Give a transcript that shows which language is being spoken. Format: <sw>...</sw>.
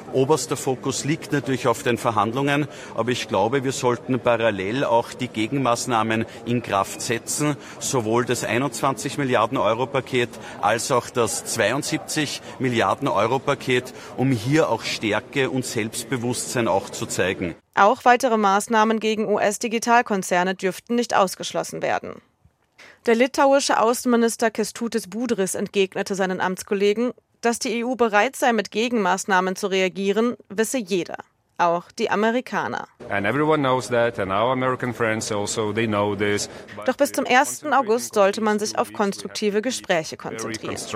<de>Oberster Fokus liegt natürlich auf den Verhandlungen, aber ich glaube, wir sollten parallel auch die Gegenmaßnahmen in Kraft setzen, sowohl das 21 Milliarden Euro Paket als auch das 72 Milliarden Euro Paket, um hier auch Stärke und Selbstbewusstsein auch zu zeigen. Auch weitere Maßnahmen gegen US-Digitalkonzerne dürften nicht ausgeschlossen werden. Der litauische Außenminister Kęstutis Budris entgegnete seinen Amtskollegen, dass die EU bereit sei, mit Gegenmaßnahmen zu reagieren, wisse jeder. Auch die Amerikaner.</de> <en>And everyone knows that, and our American friends also, they know this.</en> <de>Doch bis zum 1. August sollte man sich auf konstruktive Gespräche konzentrieren.</de>